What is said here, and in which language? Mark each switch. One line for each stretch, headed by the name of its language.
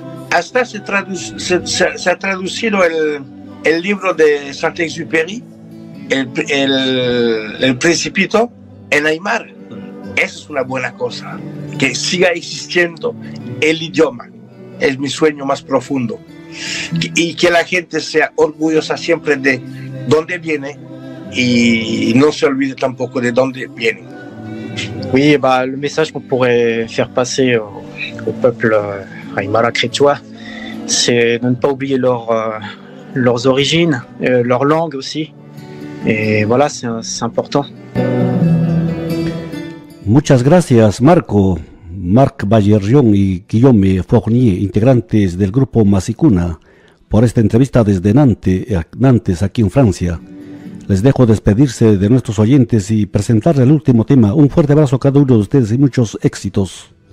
Spanish: Hasta se ha traducido el libro de Saint-Exupéry, el Principito, en aymara. Eso es una buena cosa, que siga existiendo el idioma. Es mi sueño más profundo. Y que la gente sea orgullosa siempre de dónde viene y no se olvide tampoco de dónde viene.
French: Oui, le message qu'on pourrait faire passer au peuple aymara quechua, c'est de ne pas oublier leurs origines, leur langue aussi. Et voilà, c'est important.
Spanish: Muchas gracias, Marco. Marc Bayerjon y Guillaume Fournier, integrantes del grupo Masicuna, por esta entrevista desde Nantes, aquí en Francia. Les dejo despedirse de nuestros oyentes y presentarles el último tema. Un fuerte abrazo a cada uno de ustedes y muchos éxitos.